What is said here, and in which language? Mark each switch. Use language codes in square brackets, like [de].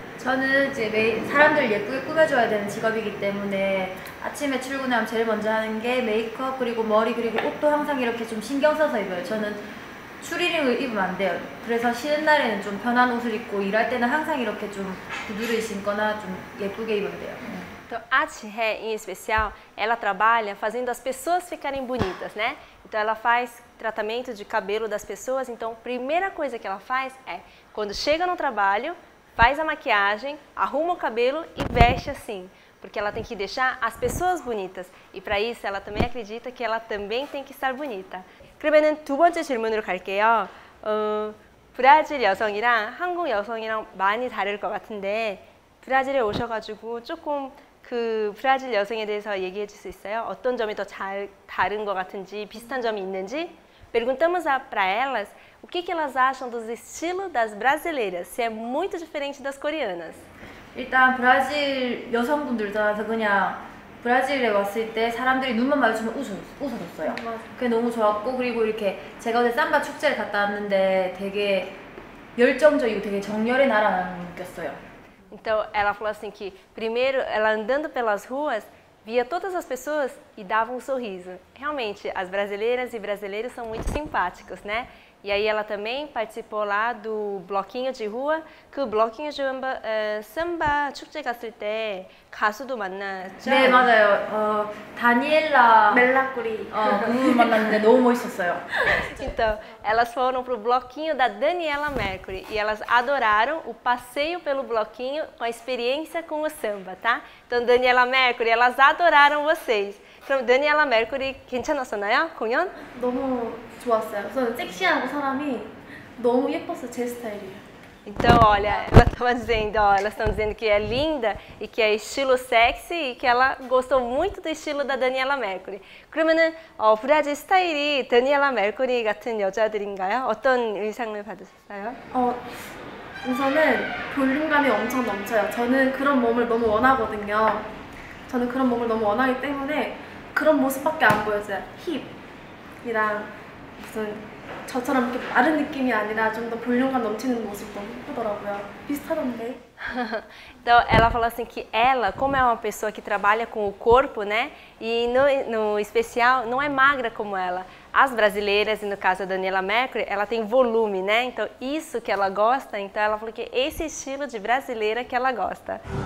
[ko] 저는 이제 매일 사람들 예쁘게 꾸며줘야 되는 직업이기 때문에 아침에 출근하면 제일 먼저 하는 게 메이크업 그리고 머리 그리고 옷도 항상 이렇게 좀 신경 써서 입어요. 저는 추리닝을 입으면 안 돼요. 그래서 쉬는 날에는 좀 편한 옷을 입고 일할 때는 항상 이렇게 좀 구두를 신거나 좀 예쁘게 입으면 돼요. [pt] Então, a Jihé, em especial, ela trabalha fazendo as pessoas ficarem bonitas, né? Então, ela faz tratamento de cabelo das pessoas. Então, a primeira coisa que ela faz é, quando chega no trabalho, faz a maquiagem, arruma o cabelo e veste assim. Porque ela tem que deixar as pessoas bonitas. E para isso, ela também acredita que ela também tem que estar bonita. [ko] 그러면은 두 번째 질문으로 갈게요. 브라질 여성이랑 한국 여성이랑 많이 다를 것 같은데, 브라질에 오셔가지고 조금... 그 브라질 여성에 대해서 얘기해 줄 수 있어요? 어떤 점이 더 잘 다른 것 같은지, 비슷한 점이 있는지? [pt] Perguntamos para elas o que elas acham dos estilos das brasileiras, se é muito diferente das coreanas. [ko] 일단 브라질 여성분들 따라서 그냥 브라질에 왔을 때 사람들이 눈만 마주치면 웃어줬어요. 그게 너무 좋았고, 그리고 이렇게 제가 어제 삼바 축제를 갔다 왔는데 되게 열정적이고 되게 정열의 나라라는 걸 느꼈어요. [pt] Então, ela falou assim que, primeiro, ela andando pelas ruas, via todas as pessoas e dava um sorriso. Realmente, as brasileiras e brasileiros são muito simpáticos, né? E aí ela também participou lá do bloquinho de rua, que o bloquinho de samba, samba, [ko] 축제 갔을 때, 가수도 만났죠? 네, 맞아요. 다니엘라... 멜라꼬리. 그 만났는데 너무 멋있었어요. [pt] Então, elas foram pro bloquinho da Daniela Mercury e elas adoraram o passeio pelo bloquinho com a experiência com o samba, tá? Então, Daniela Mercury, elas adoraram vocês. [ko] 그럼 Daniela Mercury 괜찮았었나요? 공연? 너무 좋았어요. 저는 섹시하고 사람이 너무 예뻤어요. 제 스타일이에요. [pt] Então, olha, ela estava dizendo, ó, elas estão dizendo que é linda e que é estilo sexy e que ela gostou muito do estilo da Daniela Mercury. [ko] 그러면은, 브라질 스타일이 Daniela Mercury 같은 여자들인가요? 어떤 의상을 받으셨어요? 우선은 볼륨감이 엄청 넘쳐요. 저는 그런 몸을 너무 원하거든요. 저는 그런 몸을 너무 원하기 때문에 그런 모습밖에 안 보여져요. 힙이랑 무슨 저처럼 이렇게 마른 느낌이 아니라 좀 더 볼륨감 넘치는 모습도 예쁘더라고요. 비슷하던데. [pt] Então, ela falou assim que ela, como é uma pessoa que trabalha com o corpo, né? E no especial, não é magra como ela. As brasileiras, e no caso a Daniela Mercury, ela tem volume, né? Então, isso que ela gosta, então ela falou que esse estilo de brasileira que ela gosta.